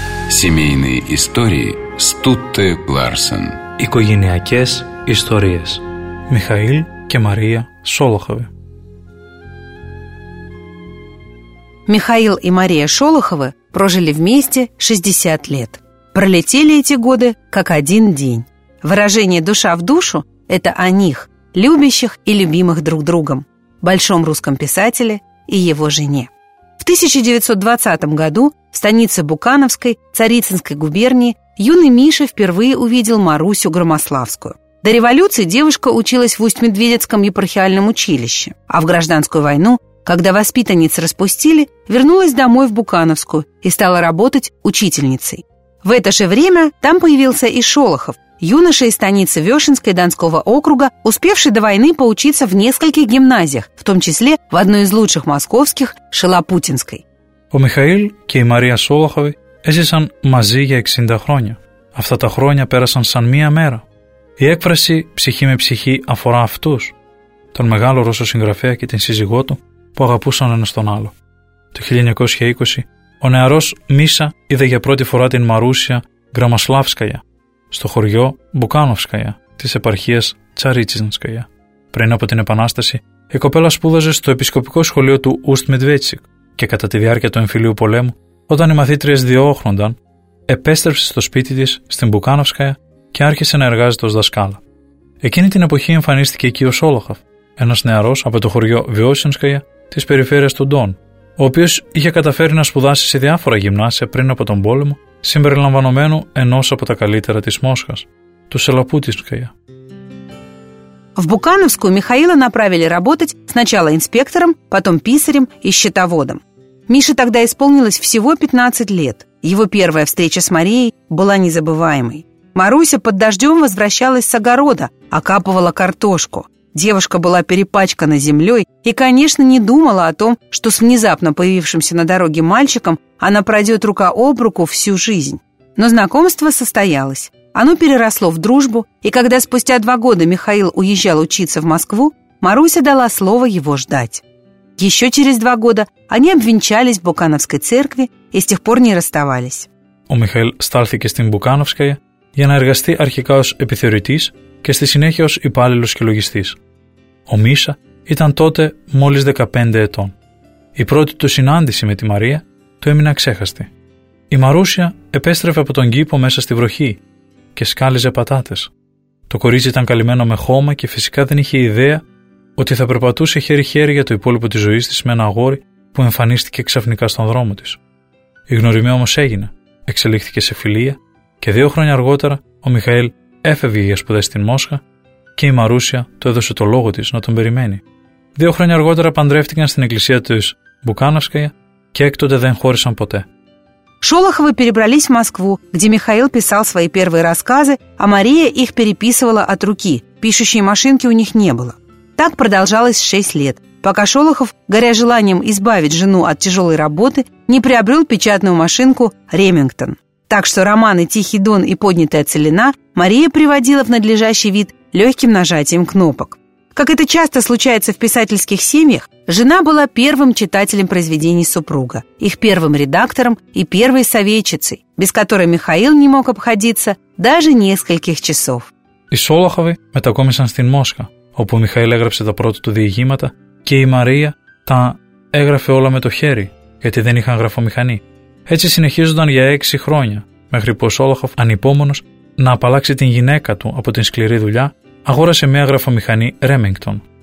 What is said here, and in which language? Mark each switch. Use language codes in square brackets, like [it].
[ru] Семейные истории Стутте Ларсен. [el] Οικογενειακές ιστορίες. Михаил και Мария Шолоховы. [ru] Михаил и Мария Шолоховы прожили вместе 60 лет. Пролетели эти годы как один день. Выражение «душа в душу» – это о них, любящих и любимых друг другом, большом русском писателе и его жене. В 1920 году в станице Букановской Царицынской губернии юный Миша впервые увидел Марусю Громославскую. До революции девушка училась в Усть-Медведецком епархиальном училище, а в гражданскую войну, когда воспитанниц распустили, вернулась домой в Букановскую и стала работать учительницей. В это же время там появился и Шолохов, юноша из станицы Вешенской Донского округа, успевший до войны поучиться в нескольких гимназиях, в том числе в одной из лучших московских – Шалопутинской. [el] Ο Михаήλ και η Μαρία Σόλοχοβη έζησαν μαζί για 60 χρόνια. Αυτά τα χρόνια πέρασαν σαν μία μέρα. Η έκφραση «ψυχή με ψυχή» αφορά αυτούς, τον μεγάλο Ρώσο συγγραφέα και την σύζυγό του, που αγαπούσαν ένας τον άλλο. Το 1920, ο νεαρός Μίσα είδε για πρώτη φορά την Μαρούσια Γραμμασλάφσκαγια στο χωριό Μπουκάνοφσκαγια της επαρχίας Τσαρίτσινσκαγια. Πριν από την Επανάσταση, η κοπέλα σπούδαζε στο επισκοπικό σχολείο του Ουστ-Μεντβέτσικ. Και κατά τη διάρκεια του εμφυλίου πολέμου, όταν οι μαθήτριες διώχνονταν, επέστρεψε στο σπίτι της, στην Μπουκάνοφσκαγια, και άρχισε να εργάζεται ως δασκάλα. Εκείνη την εποχή εμφανίστηκε εκεί ο Σόλοχοφ, ένας νεαρός από το χωριό Βιώσινσκαγια της περιφέρειας του Ντον, ο οποίος είχε καταφέρει να σπουδάσει σε διάφορα γυμνάσια πριν από τον πόλεμο, συμπεριλαμβανομένου ενός από τα καλύτερα της Μόσχας, του Σελαπούτισκαγια. [ru] В Букановскую Михаила направили работать сначала инспектором, потом писарем и счетоводом. Мише тогда исполнилось всего 15 лет. Его первая встреча с Марией была незабываемой. Маруся под дождем возвращалась с огорода, окапывала картошку. Девушка была перепачкана землей и, конечно, не думала о том, что с внезапно появившимся на дороге мальчиком она пройдет рука об руку всю жизнь. Но знакомство состоялось. Оно переросло в дружбу, и когда спустя 2 года Михаил уезжал учиться в Москву, Маруся дала слово его ждать. Еще через 2 года они обвенчались в Букановской церкви и с тех пор не расставались. [el] У Михаил стальтеке стин Букановская, я на эргасти архика ως επιθεωρητής και στη συνέχεια ως υπάλληλος και λογιστής. Ο Μίσα ήταν τότε μόλις 15 ετών. Η πρώτη του συνάντηση με τη Μαρία του έμεινε αξέχαστη. Η Μαρούσια επέστρεφε από τον κήπο μέσα στη βροχή και σκάλιζε πατάτες. Το κορίτσι ήταν καλυμμένο με χώμα και φυσικά δεν είχε ιδέα ότι θα περπατούσε χέρι-χέρι για το υπόλοιπο της ζωής της με ένα αγόρι που εμφανίστηκε ξαφνικά στον δρόμο της. Η γνωριμία όμως έγινε, εξελίχθηκε σε φιλία και 2 χρόνια αργότερα ο Μιχαήλ έφευγε για σπουδές στην Μόσχα και η Μαρούσια του έδωσε το λόγο της να τον περιμένει. 2 χρόνια αργότερα παντρεύτηκαν στην εκκλησία της Μπουκάνοσκαια και έκτοτε δεν χώρισαν ποτέ. [ru] Шолоховы перебрались в Москву, где Михаил писал свои первые рассказы, а Мария их переписывала от руки, пишущей машинки у них не было. Так продолжалось 6 лет, пока Шолохов, горя желанием избавить жену от тяжелой работы, не приобрел печатную машинку «Ремингтон». Так что романы «Тихий Дон» и «Поднятая целина» Мария приводила в надлежащий вид легким нажатием кнопок. Как это часто случается в писательских семьях, жена была первым читателем произведений супруга, их первым редактором и первой советчицей, без которой Михаил не мог обходиться даже нескольких часов. [el] Οι Шолоховы μετακόμισαν στην Μόσχα, όπου ο Михаил έγραψε τα πρώτα του διηγήματα και η Μαρία τα έγραφε όλα με το χέρι, γιατί δεν είχαν γραφομηχανή. Έτσι συνεχίζονταν για 6 χρόνια, μέχρι που ο Σόλοχοφ, ανυπόμονος να απαλλάξει την γυναίκα του από την σκληρή δουλειά, αγόρασε μια γραφομηχανή Remington.